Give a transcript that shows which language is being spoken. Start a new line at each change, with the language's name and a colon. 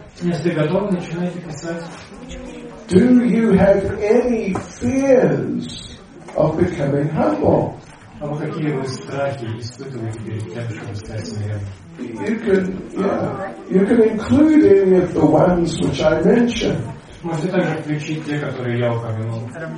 Russian: Если готовы, начинайте писать.
English: Do you have any fears of becoming humble?
Russian: А вы какие вы страхи испытываете перед тем, чтобы стать смиренным?
English: You can include any of the ones which I mentioned.
Russian: Можете также включить те, которые я упомянул.